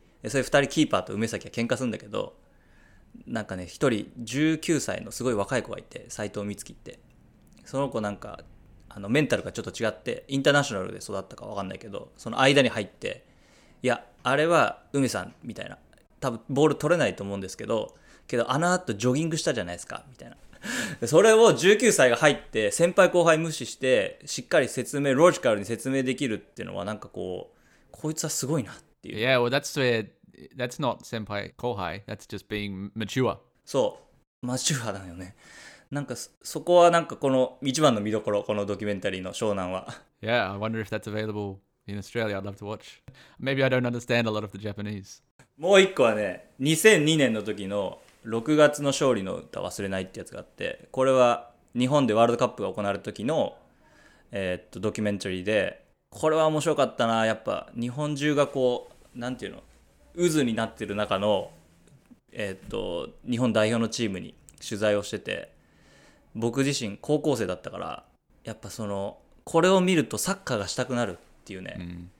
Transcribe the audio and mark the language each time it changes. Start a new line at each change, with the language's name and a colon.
Japanese: でそれ2人キーパーと梅崎が喧嘩するんだけど、なんかね1人19歳のすごい若い子がいて、斉藤美月って、その子なんかあのメンタルがちょっと違ってインターナショナルで育ったか分かんないけど、その間に入って、いやあれは梅さんみたいな、多分ボール取れないと思うんですけど、けどあの後ジョギングしたじゃないですかみたいな。それを19歳が入って先輩後輩無視してしっかり説明、ロジカルに説明できるっていうのは、なんかこうこいつはすごいなっていう。
English: Yeah, well that's where that's not 先輩後輩、 that's just being mature.
Japanese: そう、マチュアだよね。なんか そこはなんかこの一番の見どころ、このドキュメンタリーの湘南は。
English: Yeah, I wonder if that's available in Australia. I'd love to watch. Maybe I don't understand a lot of the Japanese.
Japanese: もう一個はね、2002年の時の6月の勝利の歌忘れないってやつがあって、これは日本でワールドカップが行われた時の、ドキュメンタリーで、これは面白かったな。やっぱ日本中がこうなんていうの、渦になってる中の、日本代表のチームに取材をしてて、僕自身高校生だったから、やっぱそのこれを見るとサッカーがしたくなるっていうね、